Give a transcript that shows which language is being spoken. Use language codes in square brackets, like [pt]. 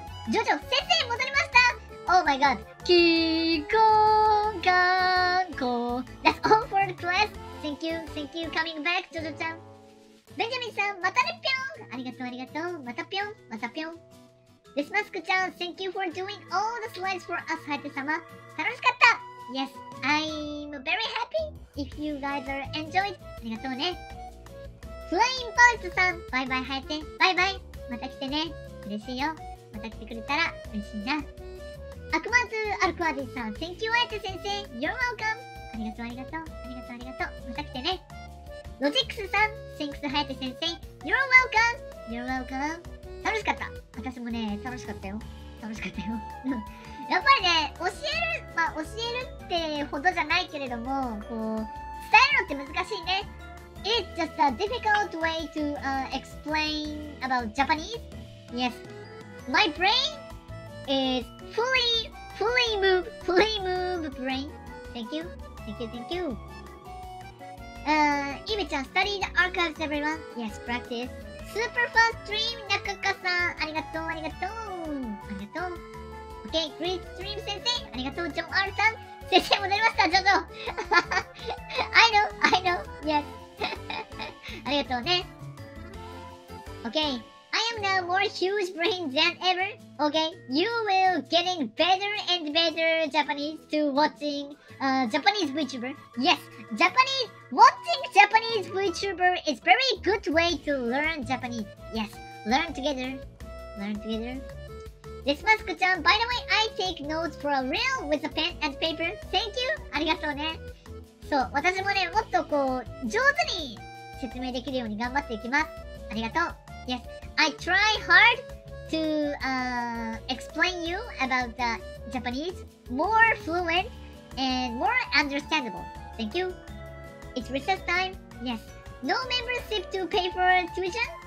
[ja] ジョジョ、先生、戻りました [en] Oh my god! キーコーン・カーン・コーン That's all for the class! Thank you! Thank you! Coming back, ジョジョちゃん。 [ja] ベンジャミンさん、またね、ぴょんありがとう、ありがとう。またぴょん、またぴょん。 [en] デスマスクちゃん、Thank you for doing all the slides for us, ハヤテ様。 [ja] 楽しかった ! [en] Yes, I'm very happy if you guys are enjoyed. [ja] ありがとうね。フラインポイントさん、バイバイ、ハヤテ。バイバイ。また来てね。嬉しいよ。また来てくれたら嬉しいな。 [en] アクマズ・アルクアディさん、Thank you, ハヤテ先生。You're welcome! [ja] ありがとう、ありがとう。ありがとう、ありがとう。また来てね。ロジックスさん、Thanks, ハヤテ先生。 [en] You're welcome! You're welcome! [ja] 楽しかった。私もね、楽しかったよ。楽しかったよ。やっぱりね、教える、まあ教えるってほどじゃないけれども、こう、伝えるのって難しいね。 [en] It's just a difficult way to、explain about Japanese. Yes. My brain is fully move brain. Thank you. Thank you, thank you. イベちゃん、study the archives, everyone. Yes, practice. [ja] スーパーファーストリーム、ナカカさん、ありがとう、ありがとう。ありがとう。 OK、グリーストリーム先生、ありがとう、ジョン・アールさん。先生、戻りました、ジョジョ。 [en] I know, I know, yes. [ja] ありがとうね。 [en] OK、I am now more huge brain than ever. OK, you will getting better and better Japanese to watching、Japanese VTuber. Yes, Japanese! Watching Japanese VTuber is very good way to learn Japanese. Yes, learn together. Learn together. This mask ちゃん by the way, I take notes for a real with a pen and paper. Thank you. [ja] ありがとうね。そう、私もね、もっとこう、上手に説明できるように頑張っていきます。ありがとう。 [en] Yes, I try hard to, explain you about the Japanese more fluent and more understandable. Thank you. It's recess time. Yes. No membership to pay for tuition.